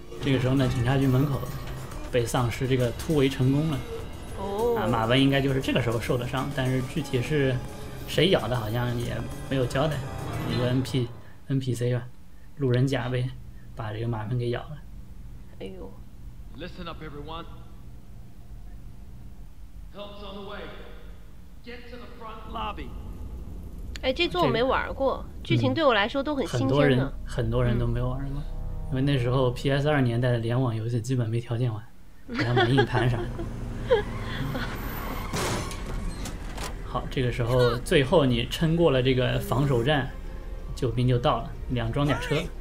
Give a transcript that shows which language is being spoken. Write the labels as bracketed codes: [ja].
[zh] 这个时候呢，警察局门口被丧尸这个突围成功了。马文应该就是这个时候受的伤，但是具体是谁咬的好像也没有交代，一个 NPC 吧，路人甲呗，把这个马文给咬了。哎呦， [en] Listen up everyone, help's on the way, get to the front lobby. [zh] 哎，这座我没玩过，剧情对我来说都很新鲜呢。很多人都没有玩过，因为那时候 PS2 年代的联网游戏基本没条件玩，还要买硬盘啥的。好，这个时候最后你撑过了这个防守站，救兵就到了，两装甲车。